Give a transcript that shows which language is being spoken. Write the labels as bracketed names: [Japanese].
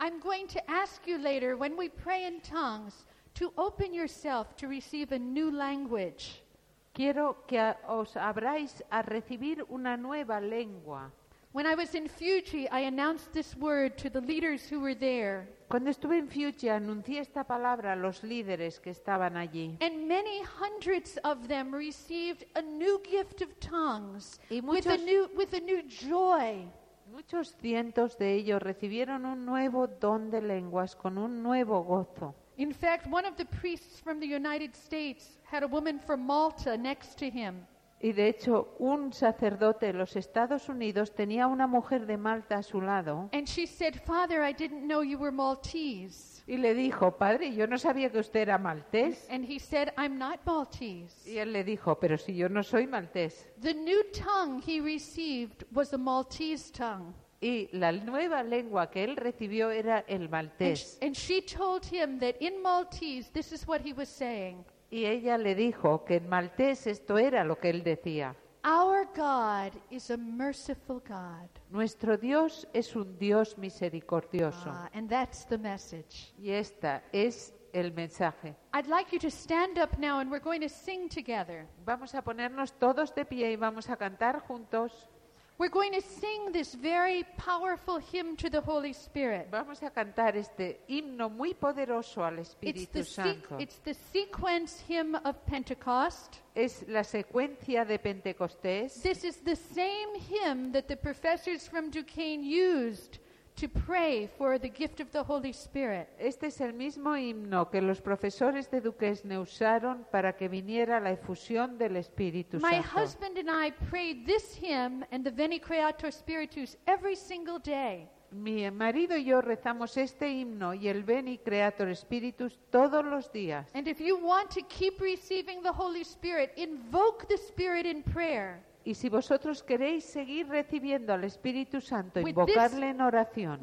[English] I'm going to ask you later, when we pray in tongues, to open yourself to receive a new language. [Spanish] Quiero que os abráis a recibir una nueva lengua. [English] When I was in Fuji, I announced this word to the leaders who were there. [Spanish] Cuando estuve en Fuji, anuncié esta palabra a los líderes que estaban allí. [English] And many hundreds of them received a new gift of tongues with a new joy. [Spanish] Muchos cientos de ellos recibieron un nuevo don de lenguas con un nuevo gozo. [English] In fact, one of the priests from the United States had a woman from Malta next to him. [Spanish] Y de hecho, un sacerdote de los Estados Unidos tenía una mujer de Malta a su lado. [English] And she said, "Father, I didn't know you were Maltese." [Spanish] Y le dijo, padre, yo no sabía que usted era maltés. [English] And he said, "I'm not Maltese." [Spanish] Y él le dijo, pero si yo no soy maltés. [English] The new tongue he received was a Maltese tongue. [Spanish] Y la nueva lengua que él recibió era el maltés. [English] And she told him that in Maltese, this is what he was saying. [Spanish] Y ella le dijo que en maltés esto era lo que él decía. [English] Our God is a merciful God. [Spanish] Nuestro Dios es un Dios misericordioso. [English] And that's the message. [Spanish] Y esta es el mensaje. [English] I'd like you to stand up now and we're going to sing together. [Spanish] Vamos a ponernos todos de pie y vamos a cantar juntos. [English] We're going to sing this very powerful hymn to the Holy Spirit. [Spanish] Vamos a cantar este himno muy poderoso al Espíritu Santo. [English] It's the sequence hymn of Pentecost. [Spanish] Es la secuencia de Pentecostés. [English] This is the same hymn that the professors from Duquesne used to pray for the gift of the Holy Spirit. [Spanish] Este es el mismo himno que los profesores de Duquesne usaron para que viniera la efusión del Espíritu Santo. [English] My husband and I prayed this hymn and the Veni Creator Spiritus every single day. [Spanish] Mi marido y yo rezamos este himno y el Veni Creator Spiritus todos los días. [English] And if you want to keep receiving the Holy Spirit, invoke the Spirit in prayer. [Spanish] Y si vosotros queréis seguir recibiendo al Espíritu Santo, invocarle en oración,